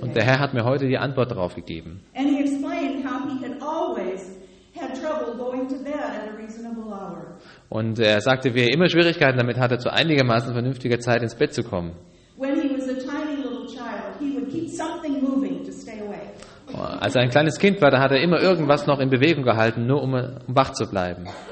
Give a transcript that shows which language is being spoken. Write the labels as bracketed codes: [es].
[de] Und der Herr hat mir heute die Antwort darauf gegeben. [en] And he explained how he had always had trouble going to bed at a reasonable hour. [de] Und er sagte, wie er immer Schwierigkeiten damit hatte, zu einigermaßen vernünftiger Zeit ins Bett zu kommen. [en] When he was a tiny little child, he would keep something moving to stay awake. [de] Als er ein kleines Kind war, da hat er immer irgendwas noch in Bewegung gehalten, nur um wach zu bleiben.